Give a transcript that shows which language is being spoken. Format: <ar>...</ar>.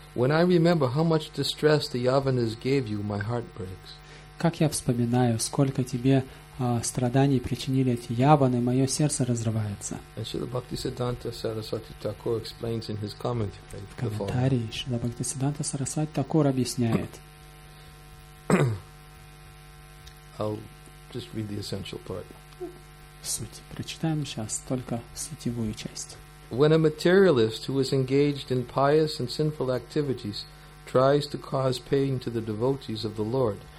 <en>When I remember how much distress the Yavanas gave you, my heart breaks.</en> <ru>Как я вспоминаю, сколько тебе страданий причинили эти Яваны, мое сердце разрывается.</ru> <en>And Śrīla Bhaktisiddhānta Sarasvati Thakur explains in his commentary.</en> <ru>В комментарии Śrīla Bhaktisiddhānta Sarasvati Thakur объясняет.</ru> <en>I'll just read the essential part.</en> <ru>Суть. Прочитаем сейчас только сутевую часть.</ru> <en>When a materialist who is engaged in pious and sinful activities tries to cause pain to the devotees of the Lord.</en>